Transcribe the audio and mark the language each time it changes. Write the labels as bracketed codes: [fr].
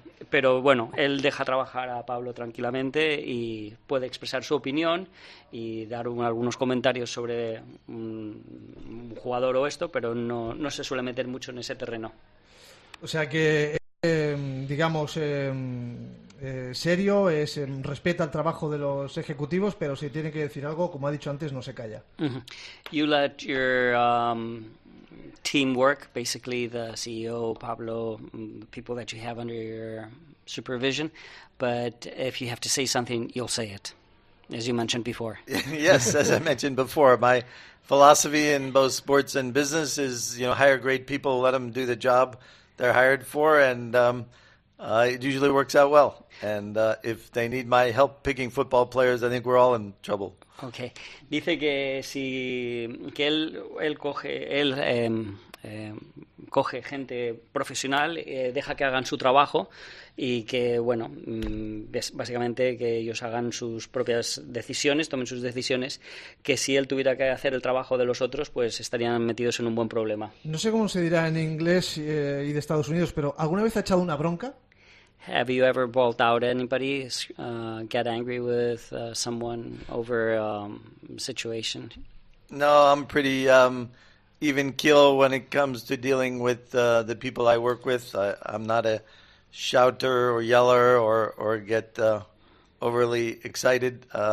[es] Pero bueno, él deja trabajar a Pablo tranquilamente y puede expresar su opinión y dar algunos comentarios sobre un jugador o esto, pero no se suele meter mucho en ese terreno. O sea que, serio, es respeta el trabajo de los ejecutivos, pero si tiene que decir algo, como ha dicho antes, no se calla. Uh-huh. [en] You let your teamwork, basically the CEO, Pablo, people that you have under your supervision, but if you have to say something, you'll say it, as you mentioned before. Yes, as I mentioned before, my philosophy in both sports and business is, you know, hire great people, let them do the job they're hired for, and it usually works out well. And if they need my help picking football players, I think we're all in trouble. Okay. [es] Dice que si que él coge gente profesional, deja que hagan su trabajo y que bueno, básicamente que ellos hagan sus propias decisiones, tomen sus decisiones, que si él tuviera que hacer el trabajo de los otros, pues estarían metidos en un buen problema. No sé cómo se dirá en inglés y de Estados Unidos, pero ¿alguna vez ha echado una bronca? [en] Have you ever bawled out anybody, get angry with someone over a situation? No, I'm pretty even keel when it comes to dealing with the people I work with. I'm not a shouter or yeller or get overly excited.